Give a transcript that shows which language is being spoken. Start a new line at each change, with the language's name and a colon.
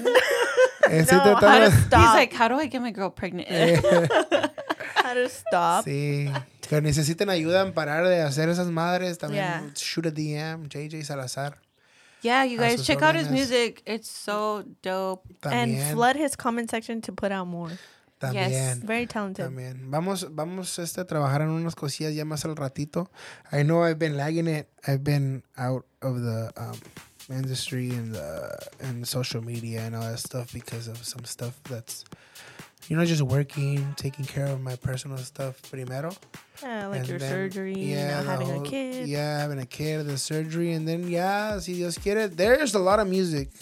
English: No, how to stop. He's like, how do I get my girl pregnant? How to stop.
Spanish: Sí. Que necesiten ayuda en parar de hacer esas madres. También
English: yeah. Shoot a DM, JJ Salazar. Yeah, you guys, check out his music. It's so dope.
Spanish: También.
English: And flood his comment section to put out more.
Spanish: También.
English: Yes. Very talented.
Spanish: También. Vamos a trabajar en unas cosillas ya más al ratito.
English: I know I've been lagging it. I've been out of the... industry and social media and all that stuff because of some stuff that's, you know, just working, taking care of my personal stuff
Spanish: primero.
English: Yeah, like and your then, surgery, yeah, you know, having whole, a kid. Yeah, having a kid, the surgery, and then, yeah,
Spanish: si Dios quiere,
English: there's a lot of music.